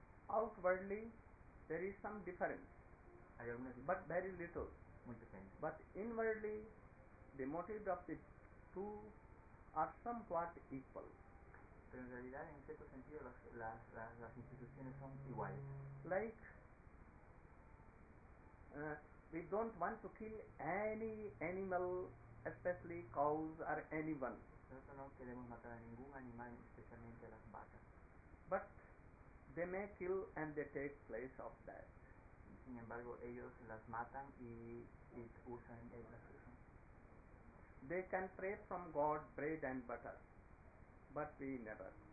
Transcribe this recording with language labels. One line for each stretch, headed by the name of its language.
English: Outwardly, there is some difference, but very little.
Spanish: Muy pequeño.
English: But inwardly, the motive of the two are somewhat equal.
Spanish: Pero en realidad, en cierto sentido, las instituciones son iguales.
English: Like, we don't want to kill any animal, especially cows or anyone.
Spanish: Nosotros no queremos matar a ningún animal, especialmente a las vacas.
English: But they may kill and they take place of that.
Spanish: Sin embargo, ellos las matan y usan ellas.
English: They can pray from God bread and butter, but we never.